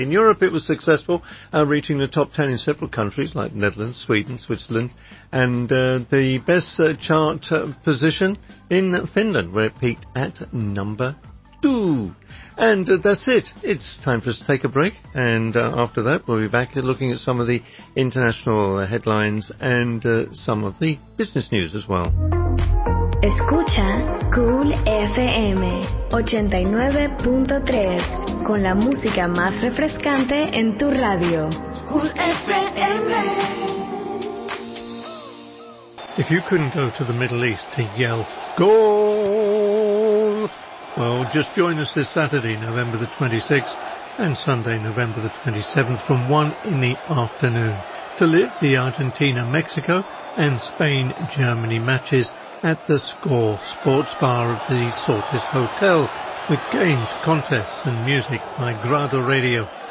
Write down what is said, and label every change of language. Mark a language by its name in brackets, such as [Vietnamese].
[English] In Europe, it was successful, reaching the top 10 in several countries like Netherlands, Sweden, Switzerland, and the best chart position in Finland, where it peaked at number 10. And that's it. It's time for us to take a break. And after that, we'll be back looking at some of the international headlines and some of the business news as well. [Spanish] Escucha Cool FM 89.3 con la música más refrescante en tu radio. Cool FM. [English] If you couldn't go to the Middle East to yell, goal! Well, just join us this Saturday, November the 26th, and Sunday, November the 27th, from 1 in the afternoon, to live the Argentina-Mexico and Spain-Germany matches at the Score Sports Bar of the Sortis Hotel, with games, contests and music by Grado Radio.